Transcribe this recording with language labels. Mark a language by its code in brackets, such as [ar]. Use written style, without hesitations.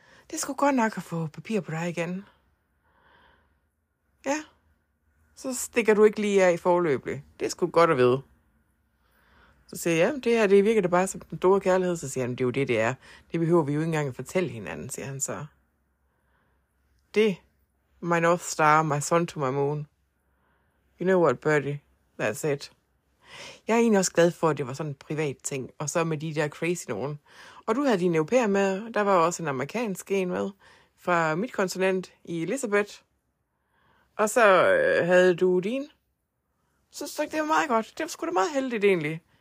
[da] Det er sgu godt nok at få papir på dig igen. Ja, så stikker du ikke lige af i forløbet. Det er sgu godt at vide. Så siger jeg, det her det virker da bare som den store kærlighed. Så siger han, det er jo det, det er. Det behøver vi jo ikke engang at fortælle hinanden, siger han så. [en] Det, my north star, my sun to my moon. You know what, Birdie? That's it. [da] Jeg er egentlig også glad for, at det var sådan en privat ting. Og så med de der crazy nogen. Og du havde din europæer med, der var også en amerikansk en med, fra mit kontinent i Elizabeth. Og så havde du din. Så det var meget godt. Det var sgu da meget heldigt egentlig.